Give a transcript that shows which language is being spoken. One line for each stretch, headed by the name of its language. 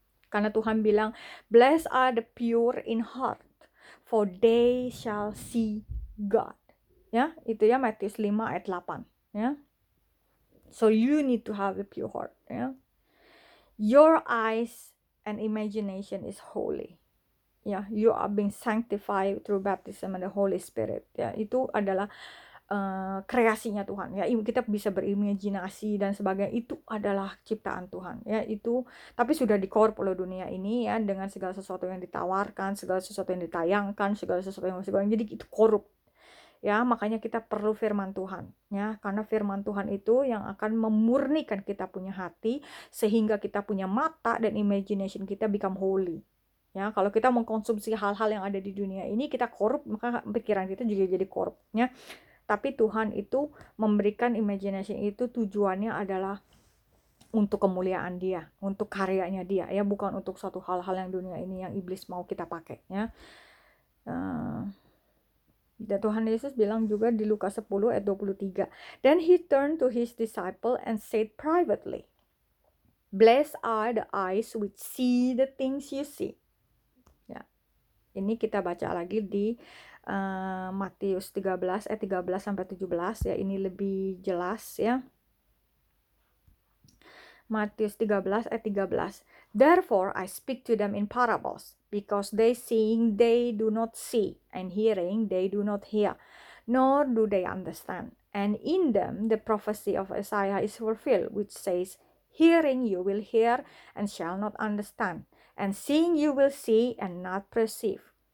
Indonesian: Karena Tuhan bilang,
English: "Blessed are the pure in heart, for they shall see God."
Indonesian: Ya, itu ya Matius 5 ayat 8, ya.
English: So you need to have a pure heart,
Indonesian: ya.
English: Your eyes and imagination is holy. Ya, yeah, you are being sanctified through baptism and the Holy Spirit.
Indonesian: Ya, yeah, itu adalah kreasinya Tuhan. Ya, yeah, kita bisa berimajinasi dan sebagainya. Itu adalah ciptaan Tuhan. Ya, yeah, itu tapi sudah dikorup oleh dunia ini, ya, dengan segala sesuatu yang ditawarkan, segala sesuatu yang ditayangkan, segala sesuatu yang segala. Jadi itu korup. Ya, makanya kita perlu firman Tuhan, ya, karena firman Tuhan itu yang akan memurnikan kita punya hati sehingga kita punya mata dan imagination kita
English: become holy.
Indonesian: Ya, kalau kita mengkonsumsi hal-hal yang ada di dunia ini kita korup, maka pikiran kita juga jadi korup, ya. Tapi Tuhan itu memberikan imagination itu tujuannya adalah untuk kemuliaan Dia, untuk karyanya Dia, ya, bukan untuk suatu hal-hal yang dunia ini yang iblis mau kita pakai, ya. Dan Tuhan Yesus bilang juga di Lukas 10 ayat 23.
English: Then he turned to his disciple and said privately, "Blessed are the eyes which see the things you see."
Indonesian: Ya. Ini kita baca lagi di Matius 13 ayat 13 sampai 17, ya, ini lebih jelas, ya. Matius 13 ayat 13.
English: Therefore I speak to them in parables, because they seeing they do not see, and hearing they do not hear, nor do they understand. And in them the prophecy of Isaiah is fulfilled, which says, hearing you will hear and shall not understand, and seeing you will see and not perceive.